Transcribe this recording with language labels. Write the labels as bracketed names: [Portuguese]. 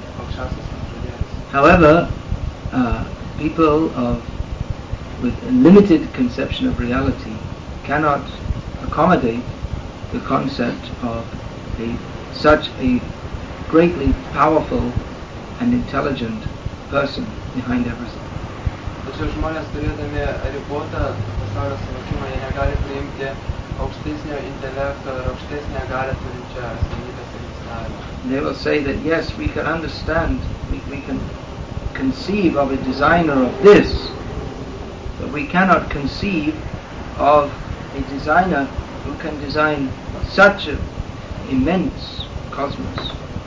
[English] However, people with a limited conception of reality cannot accommodate the concept of such a greatly powerful and intelligent person behind everything. [Lithuanian] Tačiau žmonės turėdami ribotą pasaulio suvokimą, jie negali priimti aukštesnio intelekto ir aukštesnę galią turinčią asmenybės egzistavimą. [English] They will say that yes, we can understand, we can conceive of a designer of this, but we cannot conceive of a designer who can design such an immense cosmos.